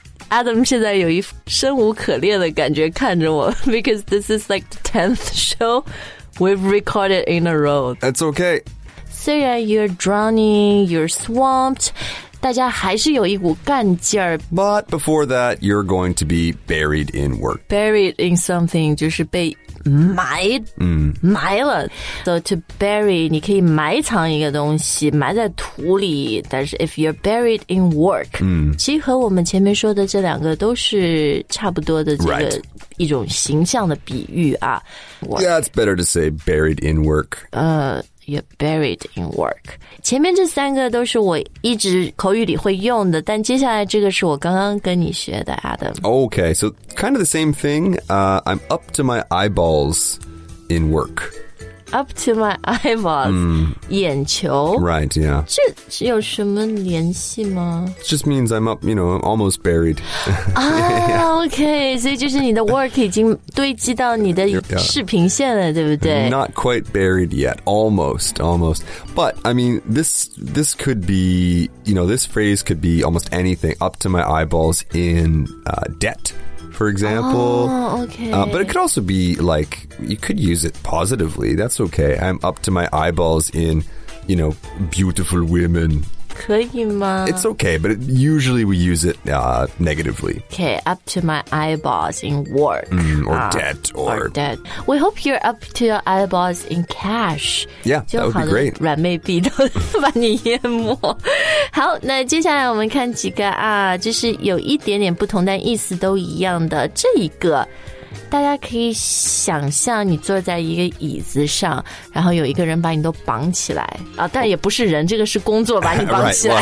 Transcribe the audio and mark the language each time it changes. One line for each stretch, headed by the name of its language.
English: Adam 现在有一生无可恋的感觉看着我，because this is like the 10th show we've recorded in a row. That's okay. 虽然 you're drowning, you're swamped.
Chinese: 大家还是有一股干劲儿。
English: But before that, you're going to be buried in work.
Chinese: Buried in something 就是被埋、埋了。 So to bury, 你可以埋藏一个东西，埋在土里。但是 if you're buried in work,、其实和我们前面说的这两个都是差不多的这个、
English: right.
Chinese: 一种形象的比喻啊。
English: Work. Yeah, it's better to say buried in work. You're buried in work.
Chinese: 前面这三个都是我一直口语里会用的，但接下来这个是我刚刚跟你学的 ，Adam.
English: Okay, so kind of the same thing. I'm up to my eyeballs in work. Up to my eyeballs,、眼球。 Right, yeah.
Chinese: 这有什么联系吗
English: ？It just means I'm up, you know, almost buried. okay.
Chinese: 所以就是你的 work 已经堆积到你的视频线了，对不对
English: ？Not quite buried yet, almost, almost. But I mean, this could be, you know, this phrase could be almost anything. Up to my eyeballs in debt. For example, but it could also be like, you could use it positively. That's okay. I'm up to my eyeballs in, you know, beautiful women.
Chinese: 可以吗?
English: It's okay, but it, usually we use it negatively. Okay, up to my eyeballs in work. Or debt. Or debt. We hope you're up to your eyeballs in cash. Yeah, that would be great.
Chinese: 软妹币都把你淹没。好，那接下来我们看几个啊，就是有一点点不同，但意思都一样的这一个，大家可以想象你坐在一个椅子上，然后有一个人把你都绑起来啊，但也不是人，这个是工作把你绑起来。